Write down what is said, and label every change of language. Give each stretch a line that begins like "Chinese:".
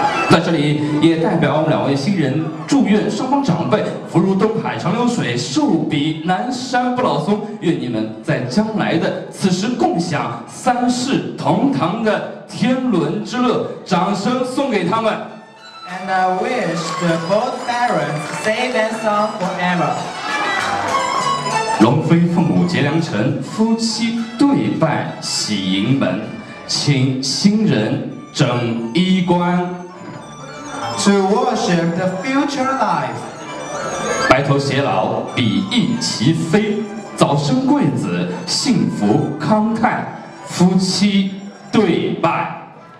Chinese: 在这里也代表我们两位新人，祝愿双方长辈福如东海长流水，寿比南山不老松，愿你们在将来的此时共享三世同堂的天伦之乐，掌声送给他们。
English: And I wish the both parents safe and sound forever.
Chinese: 龙飞凤舞结良辰，夫妻对拜喜迎门，请新人整衣冠。
English: To worship the future life.
Chinese: 白头偕老比翼齐飞，早生贵子幸福康泰，夫妻对拜。